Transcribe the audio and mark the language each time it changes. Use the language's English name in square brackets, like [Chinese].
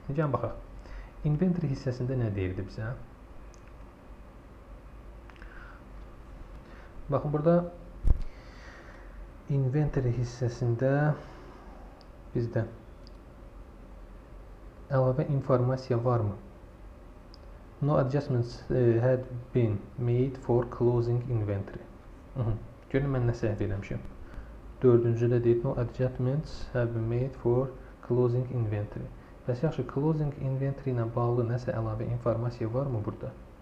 [Azerbaijani] Gəlin baxaq, inventory hissəsində nə deyirdi bizə? Baxın, burada inventory hissəsində bizdə əlavə informasiya varmı? [English] No adjustments had been made for closing inventory. [Azerbaijani] Görün mən nə səhv eləmişim. Dördüncü de deyir. [English] No adjustments have been made for closing inventory. [Azerbaijani] Bəs yaxşı, closing inventory ilə bağlı nəsə əlavə informasiya var mı burada?